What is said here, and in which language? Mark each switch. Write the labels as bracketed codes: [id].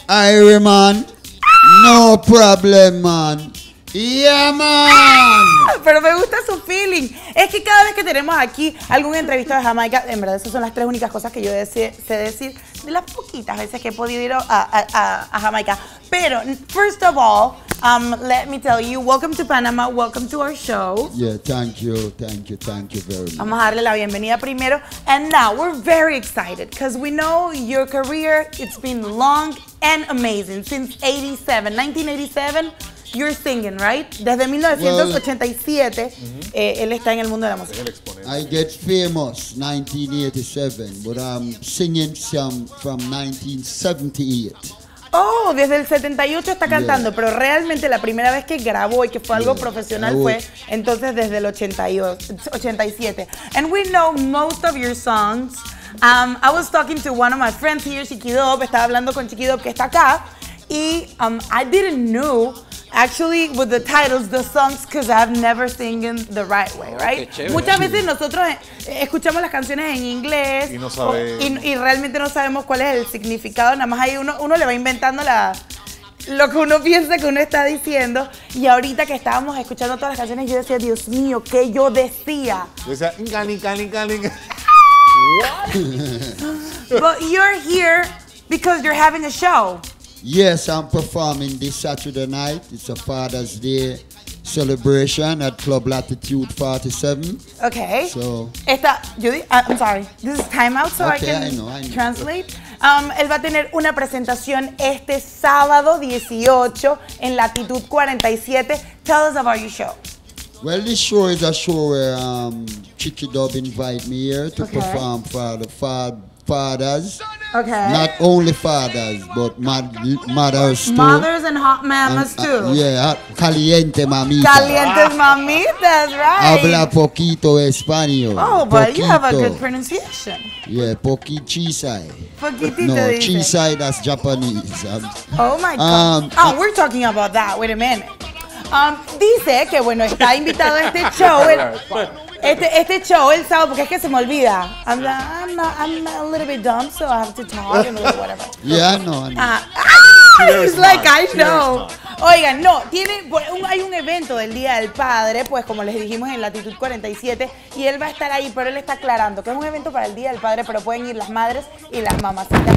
[en] Irie man, no problem man. Yeah, man. [es] Pero me gusta su feeling. Es que cada vez que tenemos aquí algún entrevistado de Jamaica, en verdad esas son las tres únicas cosas que yo sé decir de las poquitas veces que he podido ir a Jamaica. [en] Pero, first of all, let me tell you, welcome to Panama, welcome to our show. Yeah, thank you very much. [es] Vamos a darle la bienvenida primero. [en] And now, we're very excited because we know your career, it's been long and amazing since 1987. You're singing, right? [es] Desde 1987, él está en el mundo de la música. [en] I get famous 1987, but I'm singing some from 1978. [es] Oh, desde el 78 está cantando, yeah. Pero realmente la primera vez que grabó y que fue algo profesional fue entonces desde el 87. [en] And we know most of your songs. I was talking to one of my friends here, Chiqui Dope. [es] Estaba hablando con Chiqui Dope, que está acá. [en] Y I didn't know, actually, with the titles, the songs, because I've never sung them the right way, right? [es] Muchas veces nosotros escuchamos las canciones en inglés y no sabemos. Y realmente no sabemos cuál es el significado. Nada más ahí uno le va inventando lo que uno piensa que uno está diciendo. Y ahorita que estábamos escuchando todas las canciones, yo decía, Dios mío, ¿qué yo decía? Yo decía, cani, cani, cani. [en] But you're here because you're having a show. Yes, I'm performing this Saturday night. It's a Father's Day celebration at Club Latitude 47. Okay. So. Esta, Judy, I'm sorry. This is time out, so okay, I can translate. [es] Él va a tener una presentación este sábado 18 en Latitude 47. [en] Tell us about your show. Well, this show is a show where Chiqui Dub invite me here to perform for the fathers. Okay. Not only fathers, but mothers too. Mothers and hot mamas too. [es] Yeah, caliente mamita. Calientes mamitas, right. Habla poquito español. [en] Oh, but poquito. You have a good pronunciation. [es] Yeah, poquichisai. Poquitito. [en] No, chisai, that's Japanese. Oh my God. Oh, we're talking about that. Wait a minute. [es] Dice que, bueno, está invitado a este show. Este show, el sábado, porque es que se me olvida. [en] I'm a little bit dumb, so I have to talk and whatever. Yeah, I know. It's like, I know. [es] Oigan, no, hay un evento del Día del Padre, pues como les dijimos en Latitude 47, y él va a estar ahí, pero él está aclarando que es un evento para el Día del Padre, pero pueden ir las madres y las mamás.